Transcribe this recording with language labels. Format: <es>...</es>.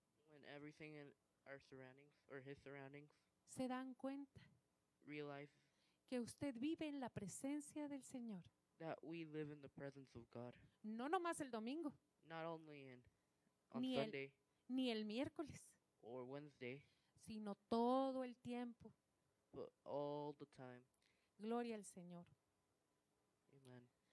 <en>when everything in our surroundings or his surroundings,</en> <es>se dan cuenta,</es> <en>realize</en> <es>que usted vive en la presencia del Señor.</es> <en>That we live in the presence of God.</en> <es>No nomás el domingo.</es> <en>Not only on Sunday.</en> <es>Ni el miércoles.</es> <en>Or Wednesday.</en> <es>Sino todo el tiempo.</es> <en>But all the time.</en> <es>Gloria al Señor.</es> <en>Amen.</en>